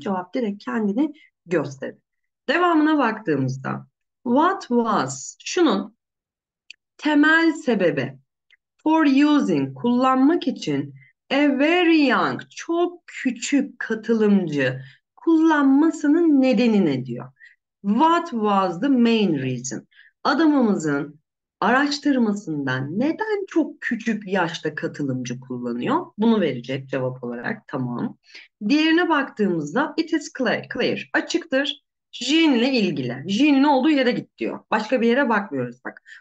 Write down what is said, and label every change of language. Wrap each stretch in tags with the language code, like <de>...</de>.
<tr>Cevap direkt kendini gösterir. Devamına baktığımızda,</tr> <en>what was,</en> <tr>şunun temel sebebi, for using, kullanmak için,</tr> <en>a very young,</en> <tr>çok küçük katılımcı kullanmasının nedeni ne diyor?</tr> <en>What was the main reason?</en> <tr>Adamımızın araştırmasından neden çok küçük yaşta katılımcı kullanıyor? Bunu verecek cevap olarak, tamam. Diğerine baktığımızda</tr> <en>it is clear,</en> <tr>açıktır. Jean ile ilgili. Jean'in olduğu yere git diyor. Başka bir yere bakmıyoruz bak.</tr>